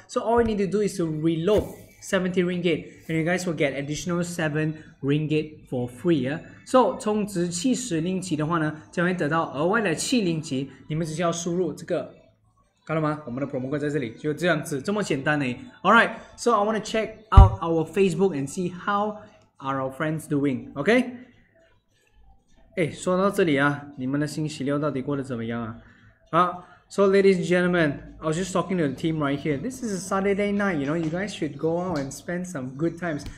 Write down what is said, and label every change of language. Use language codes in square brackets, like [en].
[en] So all you need to do is to reload 70 ringgit, and you guys will get additional 7 ringgit for free. Yeah. So, [zh] 充值70令吉的话呢，将会得到额外的7令吉。你们只需要输入这个，看到吗？我们的 promo code 在这里，就这样子，这么简单呢。 [en] Alright, so I want to check out our Facebook and see how are our friends doing, okay? [zh] 哎，说到这里啊，你们的星期六到底过得怎么样啊？ [en] 好 ，So ladies and gentlemen, I was just talking to the team right here. This is a Saturday night, you know, you guys should go out and spend some good times.